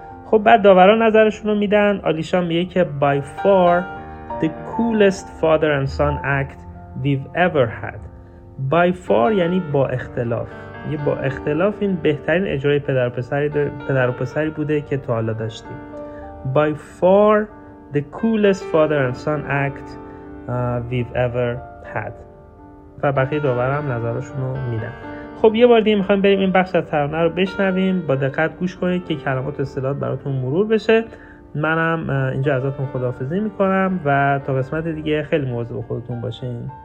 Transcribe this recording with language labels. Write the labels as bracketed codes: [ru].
[fa] خب بعد داوران نظرشون رو میدن. آلیشا میگه که [en] by far the coolest father and son act we've ever had. by far [fa] یعنی با اختلاف، یه با اختلاف این بهترین اجرای پدر و پسری بوده که تا حالا داشتیم. [en] by far the coolest father and son act we've ever had. [fa] و بقیه داورها هم نظرشون رو میدن. خب یه بار دیگه میخوایم بریم این بخش از ترانه رو بشنویم. با دقت گوش کنید که کلمات و اصطلاحات براتون مرور بشه. منم اینجا ازتون خداحافظی میکنم و تا قسمت دیگه خیلی مواظب خودتون باشین.